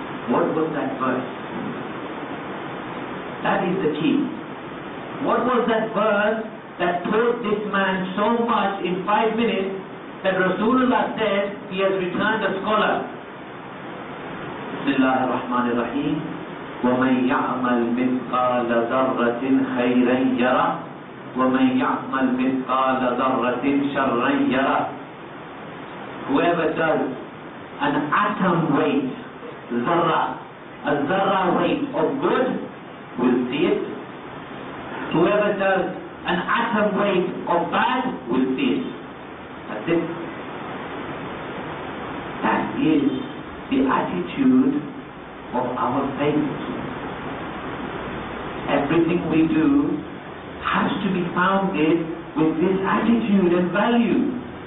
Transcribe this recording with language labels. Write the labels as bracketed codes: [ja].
[en] What was that verse? That is the key. What was that verse that taught this man so much in 5 minutes that Rasulullah said he has returned a scholar? [ar] بسم الله الرحمن الرحيم ومن يعمل مثقال ذره خيرا يرى ومن يعمل مثقال ذره شرا يرى [en] Whoever does an atom weight, zara, a zara weight of good, will see it. Whoever does an atom weight of bad, will see it. That's it. That is the attitude of our faith. Everything we do has to be founded with this attitude and value.